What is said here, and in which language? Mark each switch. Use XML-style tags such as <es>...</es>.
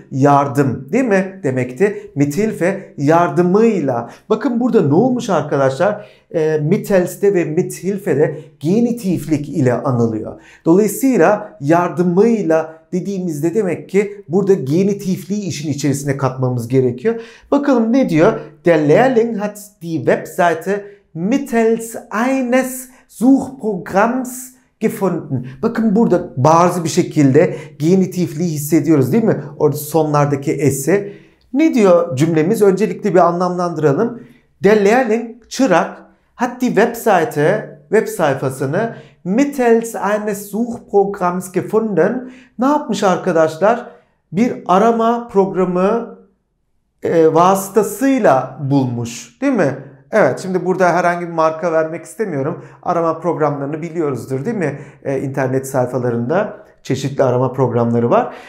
<tr>Yardım değil mi demekti? Mithilfe yardımıyla. Bakın burada ne olmuş arkadaşlar? Mittels'te ve mithilfe'de genitiflik ile anılıyor. Dolayısıyla yardımıyla dediğimizde demek ki burada genitifliği işin içerisine katmamız gerekiyor. Bakalım ne diyor?</tr> <de>Der Lehrling hat die Webseite mittels eines Suchprogramms gefunden.</de> <tr>Bakın burada bazı bir şekilde genitifliği hissediyoruz değil mi? Orada sonlardaki S'i. Ne diyor cümlemiz? Öncelikle bir anlamlandıralım.</tr> <de>Der Lehrling,</de> <tr>çırak,</tr> <de>hat die Webseite,</de> <tr>web sayfasını</tr> <de>mittels eines Suchprogramms gefunden.</de> <tr>Ne yapmış arkadaşlar? Bir arama programı vasıtasıyla bulmuş değil mi? Evet, şimdi burada herhangi bir marka vermek istemiyorum. Arama programlarını biliyoruzdur değil mi? İnternet sayfalarında çeşitli arama programları var.</tr>